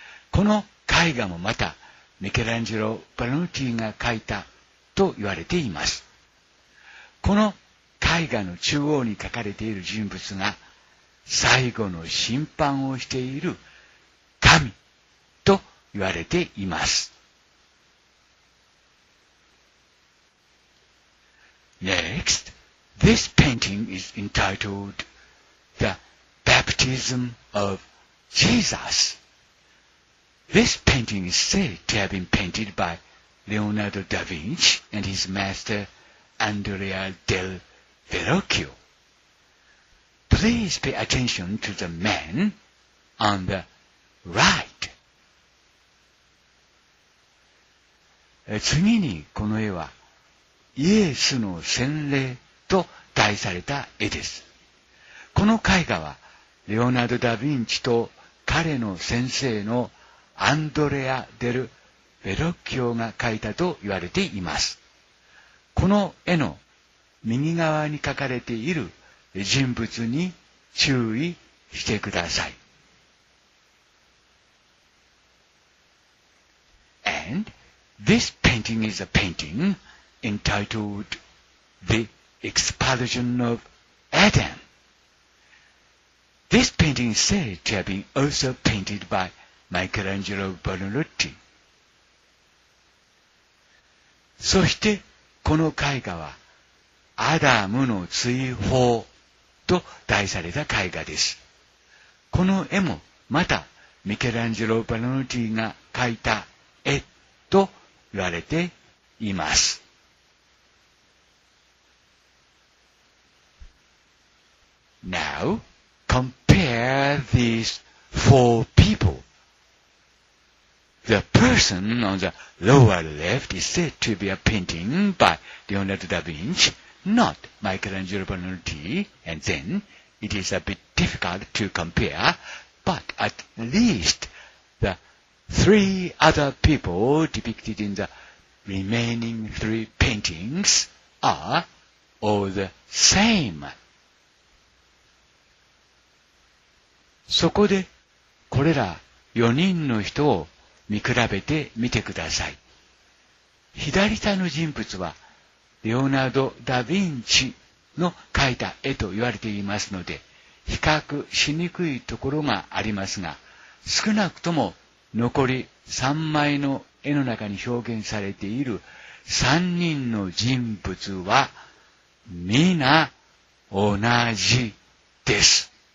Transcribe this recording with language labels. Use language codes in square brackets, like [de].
[ja] この絵画もまたミケランジェロ・バルノティが描いたと言われています。この絵画の中央に描かれている人物が最後の審判をしている神と言われています。 [en] Next, this painting is entitled The Baptism of Jesus. This painting is said to have been painted by Leonardo da Vinci and his master Andrea del Verrocchio. Please pay attention to the man on the right. [ja] 次にこの絵はイエスの洗礼と題された絵です。この絵画はレオナルド・ダ・ヴィンチと彼の先生のアンドレア・デル・ヴェロッキオが描いたと言われています。この絵の右側に描かれている人物に注意してください。 [en] And this painting is a paintingentitled The Expulsion of Adam. This painting is said to have been also painted by Michelangelo Buonarroti. [ja] そしてこの絵画はアダムの追放と題された絵画です。この絵もまたミケランジェロ・バルノティが描いた絵と言われています。 [en] Now, compare these four people. The person on the lower left is said to be a painting by Leonardo da Vinci, not Michelangelo Buonarroti, and then it is a bit difficult to compare, but at least the three other people depicted in the remaining three paintings are all the same. [ja] そこでこれら4人の人を見比べてみてください。左下の人物はレオナルド・ダ・ヴィンチの描いた絵と言われていますので比較しにくいところがありますが、少なくとも残り3枚の絵の中に表現されている3人の人物は皆同じです。